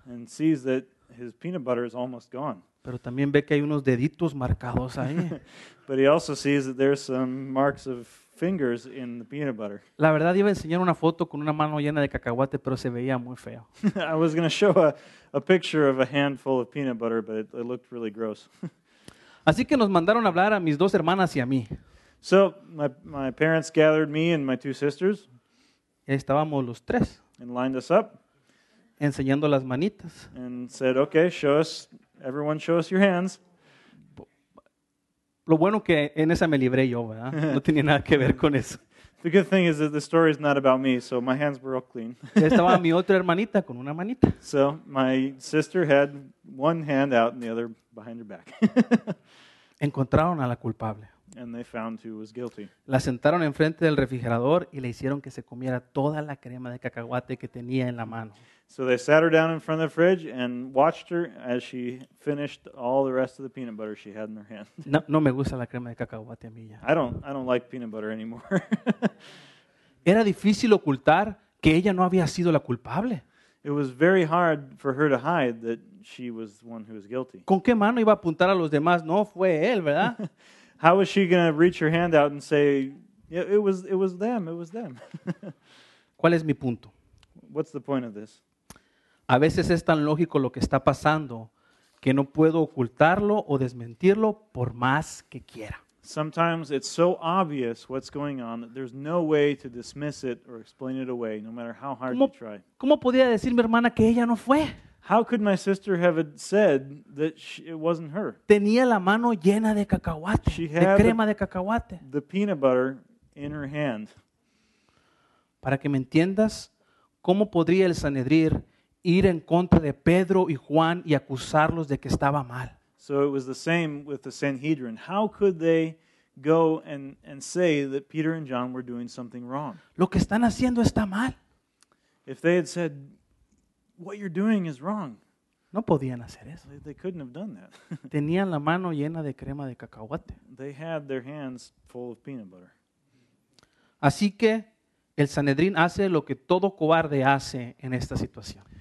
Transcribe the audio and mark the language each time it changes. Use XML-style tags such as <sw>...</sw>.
<en>And sees that his peanut butter is almost gone.</en> <es>Pero también ve que hay unos deditos marcados ahí.</es> <en>But he also sees that there's some marks of fingers in the peanut butter.</en> <es>La verdad, iba a enseñar una foto con una mano llena de cacahuate, pero se veía muy feo.</es> <en>I was going to show a picture of a handful of peanut butter, but it looked really gross.</en> <es>Así que nos mandaron a hablar a mis dos hermanas y a mí.</es> <en>So my parents gathered me and my two sisters.</en> <es>Estábamos los tres.</es> <en>And lined us up.</en> <es>Enseñando las manitas.</es> <en>And said, okay, show us, everyone show us your hands.</en> <es>Lo bueno que en esa me libré yo, ¿verdad? No tenía nada que ver con eso.</es> <en>The good thing is that the story is not about me, so my hands were all clean.</en> <es>Estaba mi otra hermanita con una manita.</es> <en>So my sister had one hand out and the other behind her back.</en> <es>Encontraron a la culpable.</es> <en>And they found who was guilty.</en> <es>La sentaron enfrente del refrigerador y le hicieron que se comiera toda la crema de cacahuate que tenía en la mano.</es> <en>So they sat her down in front of the fridge and watched her as she finished all the rest of the peanut butter she had in her hand.</en> <es>No, no me gusta la crema de cacahuate a mí ya.</es> <en>I don't like peanut butter anymore.</en> <es>Era difícil ocultar que ella no había sido la culpable.</es> <en>It was very hard for her to hide that she was the one who was guilty.</en> <es>¿Con qué mano iba a apuntar a los demás? No fue él, ¿verdad?</es> <en>How was she going to reach her hand out and say, yeah, it was them, it was them?</en> <es>¿Cuál es mi punto?</es> <en>What's the point of this?</en> <es>A veces es tan lógico lo que está pasando que no puedo ocultarlo o desmentirlo por más que quiera.</es> <en>Sometimes it's so obvious what's going on that there's no way to dismiss it or explain it away, no matter how hard you try.</en> <es>¿Cómo podía decir mi hermana que ella no fue?</es> <en>How could my sister have said that it wasn't her?</en> <es>Tenía la mano llena de cacahuate,</es> <en>she had</en> <es>de crema de cacahuate.</es> <en>The peanut butter in her hand.</en> <es>Para que me entiendas, ¿cómo podría el Sanedrín ir en contra de Pedro y Juan y acusarlos de que estaba mal?</es> <en>So it was the same with the Sanhedrin. How could they go and say that Peter and John were doing something wrong?</en> <es>Lo que están haciendo está mal.</es> <en>If they had said, what you're doing is wrong.</en> <es>No podían hacer eso.</es> <en>They couldn't have done that.</en> <es>Tenían la mano llena de crema de cacahuate.</es> <en>They had their hands full of peanut butter.</en> <es>Así que el Sanhedrin hace lo que todo cobarde hace en esta situación.</es>